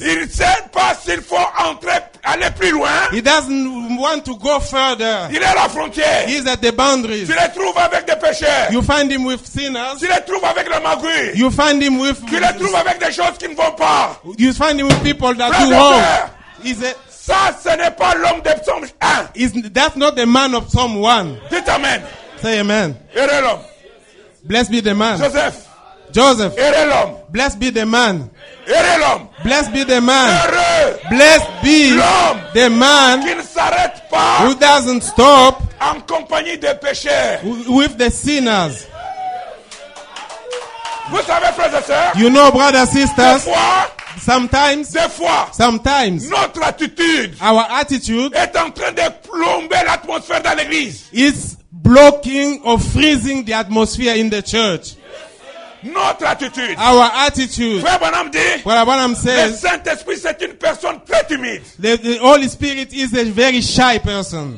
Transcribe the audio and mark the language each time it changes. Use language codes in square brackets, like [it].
[fr] Il sait pas s'il faut entrer aller plus loin. [en] He doesn't want to go further. [fr] Il est à la frontière. [en] He's at the boundaries. [fr] Tu le trouves avec des pécheurs. [en] You find him with sinners. [fr] Tu le trouves avec le magouille. [en] You find him with. [fr] Tu le trouves avec des choses qui ne vont pas. [en] You find him with people that do wrong. Is it? [fr] Ça, ce n'est pas l'homme de Psaume 1. [en] That's not the man of Psalm 1. [fr] Dites amen. [en] Say amen. [fr] Heureux l'homme. [en] Blessed be the man. [fr] Joseph. [en] Joseph. [fr] Heureux l'homme. [en] Blessed be the man. [fr] Heureux l'homme. [en] Blessed be the man. [fr] Heureux. [en] Blessed be [fr] l'homme. [en] The man. [fr] Qui ne s'arrête pas. [en] Who doesn't stop. [fr] En compagnie des pécheurs. [en] With the sinners. [fr] Vous savez, frères et sœurs. [en] You know, brothers and sisters. [fr] De quoi? [en] Sometimes, [fr] des fois, [en] sometimes, [fr] notre attitude, [en] our attitude, [fr] est en train de plomber l'atmosphère dans l'église. [en] Is blocking or freezing the atmosphere in the church. [fr] Notre attitude, [en] our attitude. [fr] Frère Branham dit, [en] what Branham says, [fr] le Saint-Esprit c'est une personne très timide. [en] The Holy Spirit is a very shy person.